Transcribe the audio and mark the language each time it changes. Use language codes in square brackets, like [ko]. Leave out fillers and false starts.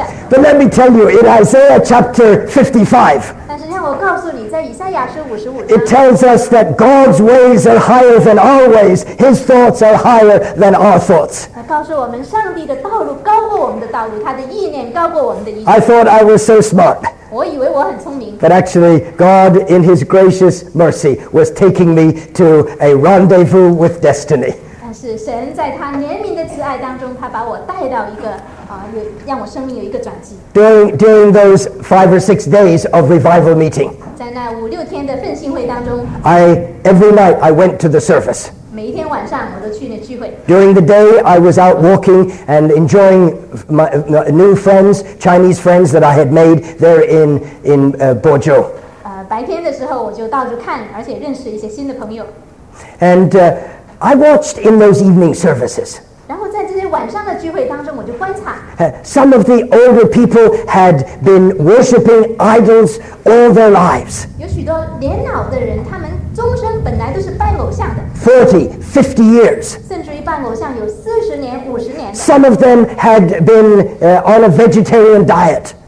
[en] But let me tell you, in Isaiah chapter 55, [zh] 但是让我告诉你，在以赛亚书五十五章 [en] it tells us that God's ways are higher than our ways, His thoughts are higher than our thoughts. [zh] 他告诉我们，上帝的道路高过我们的道路，他的意念高过我们的意念。 [en] I thought I was so smart. [zh] 我以为我很聪明。 [en] But actually, God, in His gracious mercy, was taking me to a rendezvous with destiny. [zh] 但是神在他怜悯的慈爱当中，他把我带到一个让我生命有一个转机。 [en] During those 5 or 6 days of revival meeting, [zh] 在那五六天的奉信会当中 [en] every night I went to the service. [zh] 每一天晚上我都去那聚会。 [en] During the day, I was out walking and enjoying my new friends, Chinese friends that I had made there in Bozhou. [zh] 白天的时候我就到处看，而且认识一些新的朋友。 [en] And I watched in those evening services. [zh] 然后在这些晚上的聚会当中，我就观察。 [en] Some of the older people had been worshiping idols all their lives. [zh] 有许多年老的人，他们终生本来都是拜偶像的。 [en] 40, 50 years. [zh] 甚至于拜偶像有40年、50年。 [en] Some of them had been on a vegetarian diet.